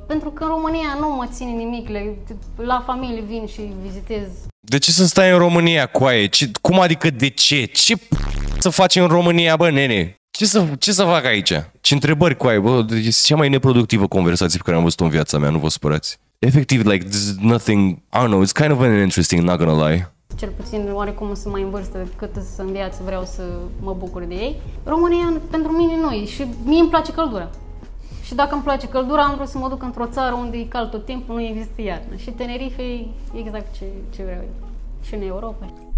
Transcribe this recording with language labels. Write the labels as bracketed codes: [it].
[ro] Pentru că în România nu mă ține nimic. La familie vin și vizitez. De ce să stai în România, coaie? Cum adică de ce? Ce să faci în România, bă, nene? Ce să fac aici? Ce întrebări cu ai? Bă, este cea mai neproductivă conversație pe care am văzut-o în viața mea, nu vă supărați. [en] Efectiv, like, this is nothing, I don't know, it's kind of uninteresting, not gonna lie. [ro] Cel puțin, oarecum sunt mai în vârstă, cât sunt în viață, vreau să mă bucur de ei. România, pentru mine, nu e. Și mie îmi place căldura. Și dacă îmi place căldura, am vrut să mă duc într-o țară unde e cald tot timpul, nu există iarnă. Și Tenerife e exact ce vreau eu. Și în Europa.